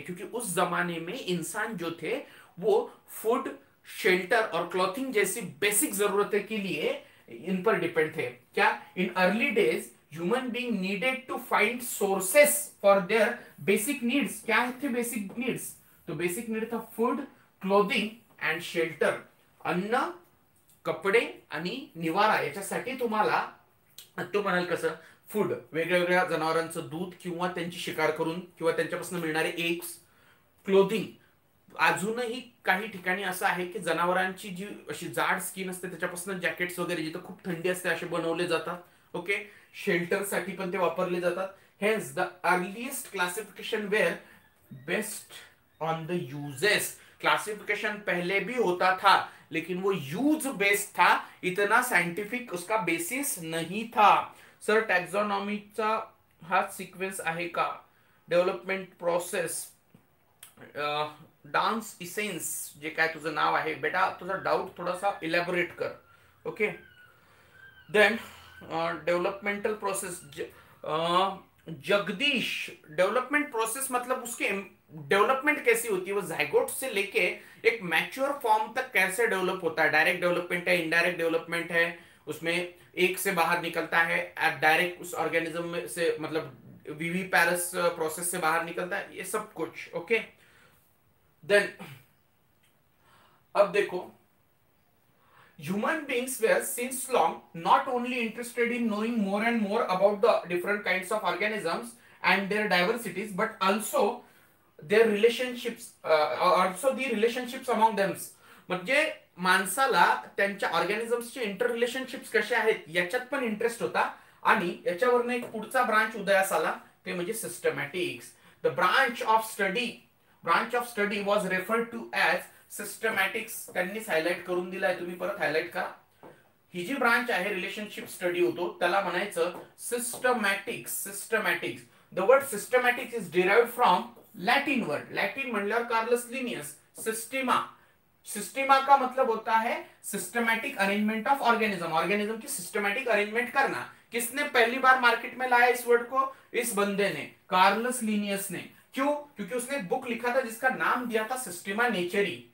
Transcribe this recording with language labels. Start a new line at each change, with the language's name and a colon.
Hindi: क्योंकि उस जमाने में इंसान जो थे वो फूड, शेल्टर और क्लॉथिंग जैसी बेसिक जरूरतें के लिए इन पर डिपेंड थे।
English: क्या in early days human being needed to find sources for their basic needs, क्या थे basic needs, तो basic need था food, clothing and shelter,
Marathi: अन्न, कपड़े आणि निवारा। याच्यासाठी तुम्हाला, तो म्हणाल कसं, फूड, वेगवेगळ्या जनावरांचं दूध किंवा त्यांची शिकार करून किंवा त्यांच्यापासून मिळणारे एग्स, क्लोदिंग, अजूनही काही ठिकाणी असं आहे की जनावरांची जी अशी जाड स्किन असते त्याच्यापासून जॅकेट्स वगैरे जिथं खूप थंडी असते असे बनवले जातात। ओके, शेल्टर साठी पण ते वापरले जातात।
English: hence the earliest classification were based on the uses,
Hindi: classification पहले भी होता था लेकिन वो यूज बेस्ड था, इतना साइंटिफिक उसका बेसिस नहीं था।
Marathi: सर टैक्सोनॉमीचा हा सिक्वेन्स आहे का, डेव्हलपमेंट प्रोसेस, डान्स इसेन्स जे काय तुझं नाव आहे बेटा, तुझा डाऊट थोडासा इलॅबोरेट कर।
Hindi: Okay, then developmental process, Jagdish, development process मतलब उसके डेवलपमेंट कैसी होती है, वो जायगोट से लेके एक मैच्योर फॉर्म तक कैसे डेवलप होता है, डायरेक्ट डेवलपमेंट है, इनडायरेक्ट डेवलपमेंट है, उसमें एक से बाहर निकलता है डायरेक्ट उस ऑर्गेनिज्म से, मतलब वीवी पैरस प्रोसेस से बाहर निकलता है, ये सब कुछ।
English: okay, then
Hindi: अब देखो,
English: human beings were since long not only interested in knowing more and more about the different kind of organisms and their diversities, but also their relationships also the relationships among thems,
Marathi: म्हणजे माणसाला त्यांच्या ऑर्गॅनिझम्सचे inter relationships कसे आहेत याच्यात पण interest होता. आणि याच्यावरनं एक पुढचा ब्रांच उदयास आला, ते म्हणजे सिस्टमॅटिक्स.
English: The branch of study, was referred to as systematics.
Marathi: त्यांनी हायलाईट करून दिलाय, तुम्ही परत हायलाईट करा. ही जी ब्रांच आहे रिलेशनशिप स्टडी होतो त्याला म्हणायचं सिस्टमॅटिक्स.
English: Systematics, the word systematics is derived from Latin word.
Marathi: Latin म्हणल्यावर कार्लस लिनियस.
Hindi: सिस्टिमा, सिस्टिमा का मतलब होता है
English: Systematic arrangement of organism.
Hindi: Organism की सिस्टमैटिक अरेंजमेंट करना. किसने पहली बार मार्केट में लाया इस वर्ड को? इस बंदे ने, कार्लस लिनियस ने. क्यों? क्योंकि उसने एक बुक लिखा था जिसका नाम दिया था सिस्टिमा नेचरी.